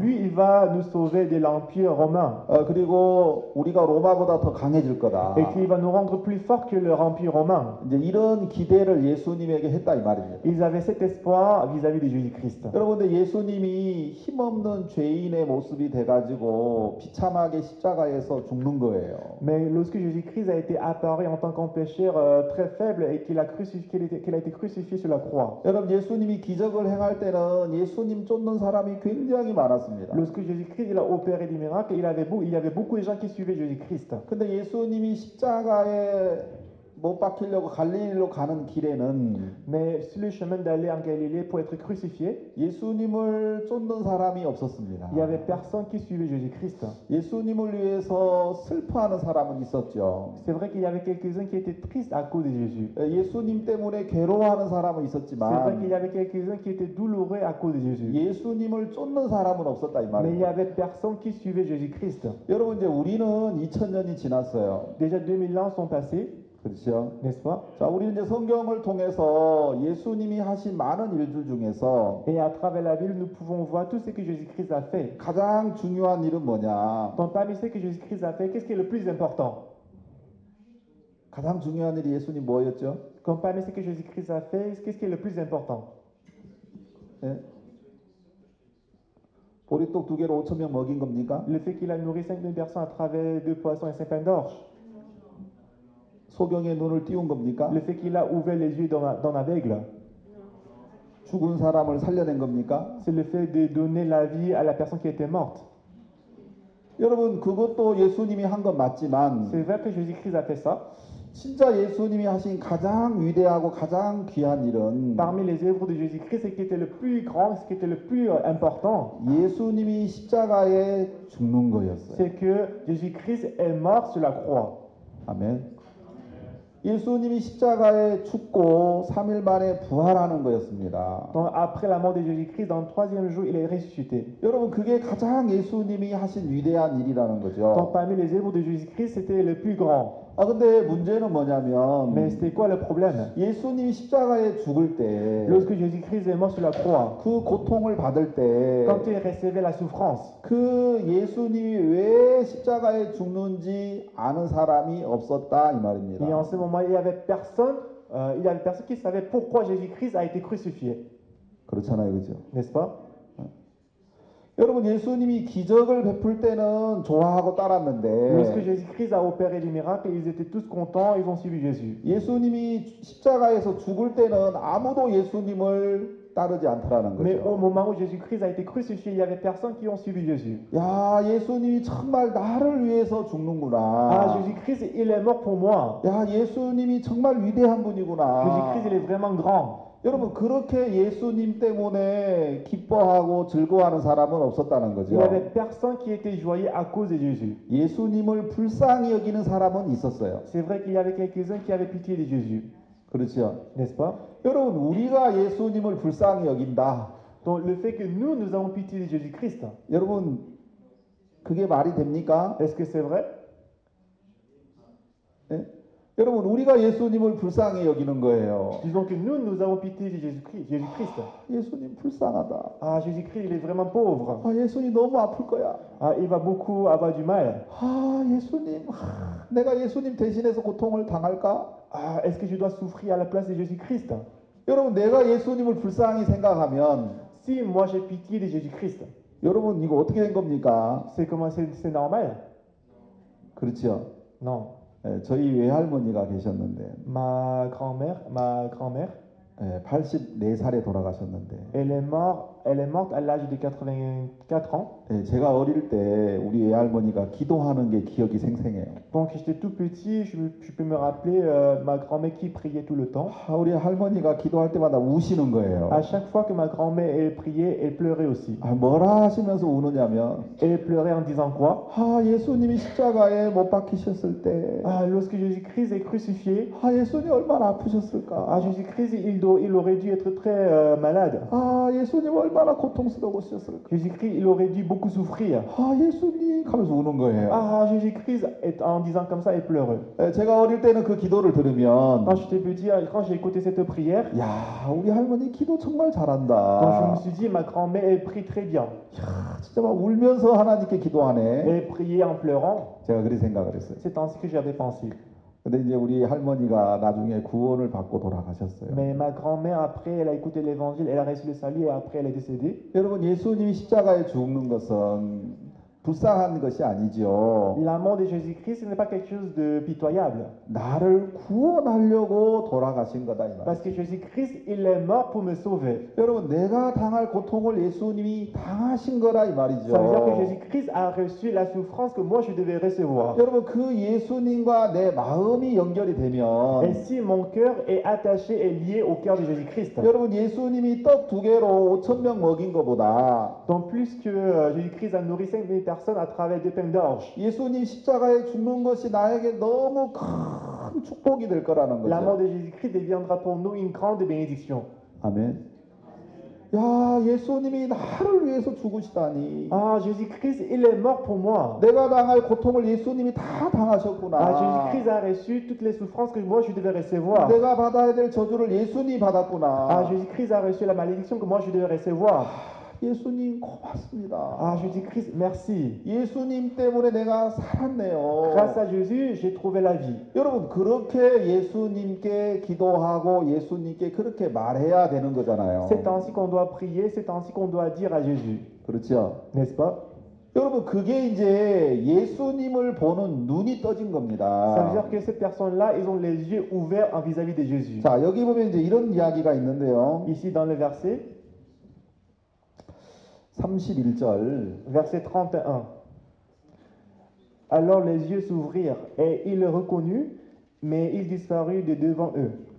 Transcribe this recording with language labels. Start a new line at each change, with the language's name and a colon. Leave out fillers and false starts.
French: lui, il va nous sauver de l'Empire romain.
Korean: 그리고 우리가 로마보다 더 강해질
French: Et
Korean: 거다.
French: qu'il va nous rendre plus fort que l'Empire romain.
Korean: 이제 이런 기대를 예수님에게 했다 이 말입니다.
French: Ils avaient cet espoir vis-à-vis de Jésus-Christ.
Korean: 여러분들, 예수님이 힘없는 죄인의 모습이 돼가지고 비참하게 십자가에서 죽는 거예요.
French: Mais lorsque Jésus-Christ a été apparu en tant qu'un pécheur très faible et qu'il a été crucifié sur la croix.
Korean: 여러분, 예수님이 기적을 행할 때는 예수님 쫓는 사람이 굉장히 많았습니다.
French: Lorsque Jésus-Christ a opéré des miracles, il y avait beaucoup de gens qui suivaient Jésus-Christ.
Korean: 근데 예수님이 십자가에 못 박히려고 갈릴리로 가는 길에는
French: Mais sur le chemin d'aller en Galilée pour être crucifié,
Korean: 예수님을 쫓는 사람이 없었습니다.
French: il y avait personne qui suivait Jésus-Christ.
Korean: 예수님을 위해서 슬퍼하는 사람은 있었죠.
French: C'est vrai qu'il y avait quelques-uns qui étaient tristes à cause de Jésus.
Korean: 예수님 때문에 괴로워하는 사람은 있었지만
French: C'est vrai qu'il y avait quelques-uns qui étaient douloureux à cause de Jésus.
Korean: 예수님을 쫓는 사람은 없었다 이 말입니다.
French: Mais il y avait personne qui suivait Jésus-Christ.
Korean: 여러분, 이제 우리는 2000년이 지났어요.
French: Déjà 2000 ans sont passés.
Korean: 그렇죠.
French: N'est-ce pas?
Korean: 자, 우리는 이제 성경을 통해서 예수님이 하신 많은 일들 중에서
French: Et à travers la Bible, nous pouvons voir tout ce que Jésus-Christ a fait.
Korean: 가장 중요한 일은 뭐냐?
French: Donc, parmi ce que Jésus-Christ a fait, qu'est-ce qui est le plus important?
Korean: 가장 중요한 일이 예수님 뭐였죠?
French: Comme parmi ce que Jésus-Christ a fait, qu'est-ce qui est le plus important?
Korean: 보리떡 두 개로 5천 명 먹인 겁니까?
French: Le fait qu'il a nourri 5000 personnes à travers deux poissons et 5 pains d'orge.
Korean: 소경의 눈을 띄운 겁니까?
French: Le fait qu'il a ouvert les yeux d'un aveugle.
Korean: 죽은 사람을 살려낸 겁니까?
French: C'est le fait de donner la vie à la personne qui était morte.
Korean: 여러분, 그것도 예수님이 한건 맞지만
French: C'est vrai que Jésus-Christ a fait ça.
Korean: 진짜 예수님이 하신 가장 위대하고 가장 귀한 일은
French: Parmi les œuvres de Jésus-Christ, ce qui était le plus grand, ce qui était le plus important,
Korean: 예수님이 십자가에 죽는 거였어요.
French: C'est que Jésus-Christ est mort sur la croix.
Korean: 아멘. 예수님이 십자가에 죽고 3일 만에 부활하는 거였습니다.
French: Donc après la mort de Jésus-Christ, dans le troisième jour, il est ressuscité.
Korean: 여러분, 그게 가장 예수님이 하신 위대한 일이라는
French: Donc
Korean: 거죠.
French: parmi les œuvres de Jésus-Christ, c'était le plus grand.
Korean: 근데 문제는
French: Mais
Korean: 뭐냐면
French: c'était quoi le problème?
Korean: 예수님이 십자가에 죽을 때
French: Lorsque Jésus-Christ est mort sur la croix,
Korean: 그 고통을 받을 때
French: quand il recevait la souffrance,
Korean: 그 예수님이 왜 십자가에 죽는지 아는 사람이 없었다 이 말입니다.
French: Et en ce moment, il y avait personne qui savait pourquoi Jésus-Christ a été crucifié.
Korean: 그렇잖아요, 그죠?
French: N'est-ce pas?
Korean: 여러분, 예수님이 기적을 베풀 때는 좋아하고 따랐는데,
French: Lorsque Jésus-Christ a opéré les miracles, ils étaient tous contents, ils ont suivi Jésus.
Korean: 예수님이 십자가에서 죽을 때는 아무도 예수님을 따르지 않더라는
French: Mais
Korean: 거죠.
French: au moment où Jésus-Christ a été crucifié, il n'y avait personne qui ont suivi Jésus.
Korean: 야, 예수님이 정말 나를 위해서
French: Ah,
Korean: 죽는구나.
French: Jésus-Christ, il est mort pour moi.
Korean: 야, 예수님이 정말 위대한 분이구나.
French: Jésus-Christ, il est vraiment grand.
Korean: 여러분, 그렇게 예수님 때문에 기뻐하고 즐거워하는 사람은 없었다는
French: Il n'y
Korean: 거죠.
French: avait personne qui était joyeux à cause de Jésus.
Korean: 예수님을 불쌍히 여기는 사람은 있었어요.
French: C'est vrai qu'il y avait quelques-uns qui avaient pitié de Jésus.
Korean: 그렇죠.
French: N'est-ce pas?
Korean: 여러분, 우리가 예수님을 불쌍히 여긴다.
French: Donc le fait que nous avons pitié de Jésus-Christ.
Korean: 여러분, 그게 말이 됩니까?
French: Est-ce que c'est vrai?
Korean: 네? 여러분, 우리가 예수님을 불쌍히 여기는 거예요.
French: Disons que nous, nous avons pitié de Jésus-Christ.
Korean: 예수님 불쌍하다.
French: Ah, Jésus-Christ, il est vraiment pauvre.
Korean: 아, 예수님 너무 아플 거야.
French: Ah, il va beaucoup avoir du mal.
Korean: 아, 예수님, 내가 예수님 대신해서 고통을 당할까?
French: Ah, est-ce que je dois souffrir à la place de Jésus-Christ?
Korean: 여러분, 내가 예수님을 불쌍히 생각하면,
French: si moi j'ai pitié de Jésus-Christ.
Korean: 여러분, 이거 어떻게 된 겁니까?
French: C'est comment, c'est normal?
Korean: 그렇죠.
French: Non.
Korean: 예, 저희 외할머니가 계셨는데
French: ma grand-mère, ma grand-mère.
Korean: 예, 84살에 돌아가셨는데
French: elle est morte à l'âge de 84 ans.
Korean: 예, 제가 어릴 때 우리 외할머니가 기도하는 게 기억이 생생해요.
French: Donc j'étais tout petit, je peux me rappeler ma grand-mère qui priait tout le temps.
Korean: 아, 우리 할머니가 기도할 때마다 우시는 거예요.
French: À chaque fois que ma grand-mère elle priait, elle pleurait aussi.
Korean: 아, 뭐라 하시면서 우느냐면
French: elle pleurait en disant quoi?
Korean: 아, 예수님이 십자가에 못 박히셨을 때.
French: Ah, lorsque Jésus-Christ est crucifié.
Korean: 아, 예수님 얼마나 아프셨을까?
French: Ah, Jésus-Christ il aurait dû être très malade.
Korean: 아, 예수님 얼마나 고통스러우셨을까?
French: Jésus-Christ il aurait dû beaucoup souffrir.
Korean: 아, 예수님 하면서 우는 거예요.
French: Ah, Jésus-Christ est en disant comme ça et pleureux.
Korean: 예, 제가 어릴 때는 그 기도를 들으면
French: quand j'étais petit, quand j'ai écouté cette prière.
Korean: 야, 우리 할머니 기도 정말 잘한다.
French: Donc, je me suis dit ma grand-mère elle prie très bien.
Korean: 야, 진짜 막 울면서 하나님께 기도하네.
French: Elle priait en pleurant.
Korean: 제가 그렇게 생각을 했어요.
French: C'est ainsi que j'avais pensé.
Korean: 근데 이제 우리 할머니가 나중에 구원을 받고 돌아가셨어요.
French: Mais ma grand-mère après elle a écouté l'évangile, elle a reçu le salut et après elle est décédée.
Korean: 여러분, 예수님이 십자가에 죽는 것은 불쌍한 것이 아니죠.
French: La mort de Jésus-Christ n'est pas quelque chose de pitoyable.
Korean: 나를 구원하려고 돌아가신 거다 이 말.
French: Parce que Jésus-Christ il est mort pour me sauver.
Korean: 여러분, 내가 당할 고통을 예수님이 당하신 거라 이 말이죠.
French: Ça veut dire que Jésus-Christ a reçu la souffrance que moi je devais recevoir.
Korean: 여러분, 그 예수님과 내 마음이 연결이 되면
French: Et si mon cœur est attaché et lié au cœur de Jésus-Christ.
Korean: 여러분, 예수님이 떡 두 개로 5,000명 먹인 거보다
French: Donc plus que Jésus-Christ a nourri 5,000 personne à travers des pains d'orge.
Korean: 예수님 십자가에 죽는 것이 나에게 너무 큰 축복이 될 거라는 거죠.
French: La mort de Jésus-Christ deviendra pour nous une grande bénédiction.
Korean: 아멘. 야, 예수님이 나를 위해서 죽으시다니.
French: Ah, Jésus-Christ, il est mort pour moi.
Korean: 내가 당할 고통을 예수님이 다 당하셨구나.
French: Ah, Jésus-Christ a reçu toutes les souffrances que moi je devais recevoir.
Korean: 내가 받아야 될 저주를 예수님이 받았구나.
French: Ah, Jésus-Christ a reçu la malédiction que moi je devais recevoir.
Korean: 예수님 고맙습니다.
French: Ah, Jésus-Christ, merci.
Korean: 예수님 때문에 내가 살았네요.
French: Grâce à Jésus, j'ai trouvé la vie.
Korean: 여러분, 그렇게 예수님께 기도하고 예수님께 그렇게 말해야 되는 거잖아요.
French: C'est ainsi qu'on doit prier, c'est ainsi qu'on doit dire à Jésus.
Korean: 그렇죠.
French: N'est-ce pas?
Korean: 여러분, 그게 이제 예수님을 보는 눈이 떠진 겁니다.
French: Ça veut dire que ces personnes-là, ils ont les yeux ouverts en vis-à-vis de Jésus.
Korean: 자, 여기 보면 이제 이런 이야기가 있는데요.
French: Ici dans le verset
Korean: 31절
French: verset 31 Alors les yeux s'ouvrirent et il le reconnut mais il disparut de devant eux.